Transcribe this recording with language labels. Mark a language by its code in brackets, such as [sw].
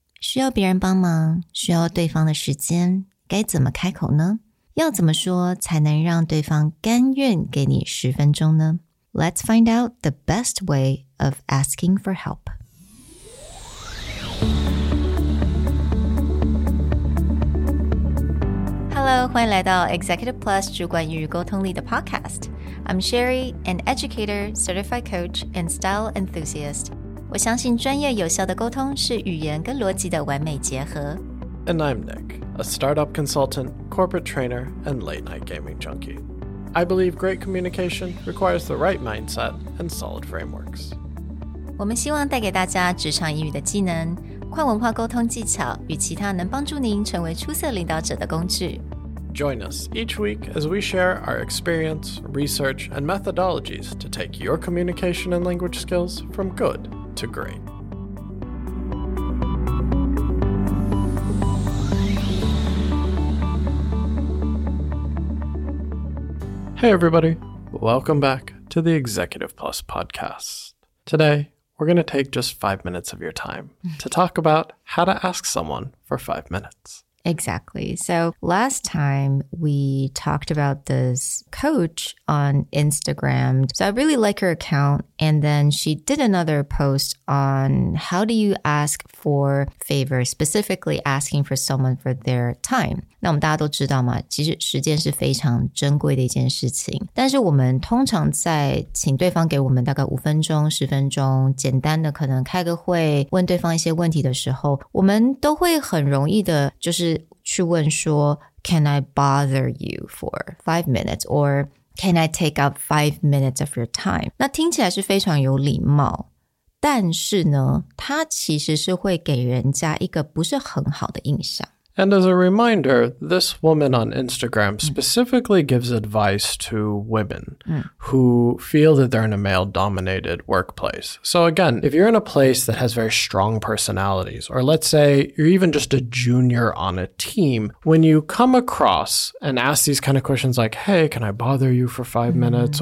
[zh] 需要别人帮忙，需要对方的时间，该怎么开口呢？要怎么说才能让对方甘愿给你十分钟呢？ [en] Let's find out the best way of asking for help. Hello, [zh] 欢迎来到 Executive Plus 主管与沟通力的 podcast. [en] I'm Sherry, an educator, certified coach, and style enthusiast. [zh] 我相信专业有效的沟通是语言跟逻辑的完美结合。 [en] And I'm Nick, a startup consultant, corporate trainer, and late-night gaming junkie. I believe great communication requires the right mindset and solid frameworks. [zh] 我们希望带给大家职场英语的技能、跨文化沟通技巧与其他能帮助您成为出色领导者的工具。 [en] Join us each week as we share our experience, research, and methodologies to take your communication and language skills from good to great. Hey everybody, welcome back to the Executive Plus podcast. Today, we're going to take just 5 minutes of your time to talk about how to ask someone for 5 minutes. Exactly. So last time we talked about this coach on Instagram. So I really like her account. And then she did another post on how do you ask for favor, specifically asking for someone for their time. [zh] 那我们大家都知道嘛，其实时间是非常珍贵的一件事情。但是我们通常在请对方给我们大概五分钟、十分钟，简单的可能开个会，问对方一些问题的时候，我们都会很容易的就是去问说 [en] Can I bother you for 5 minutes? Or can I take up 5 minutes of your time? [zh] 那听起来是非常有礼貌，但是呢，它其实是会给人家一个不是很好的印象。 [en] And as a reminder, this woman on Instagram specifically gives advice to women who feel that they're in a male-dominated workplace. So again, if you're in a place that has very strong personalities, or let's say you're even just a junior on a team, when you come across and ask these kind of questions like, hey, can I bother you for 5 minutes?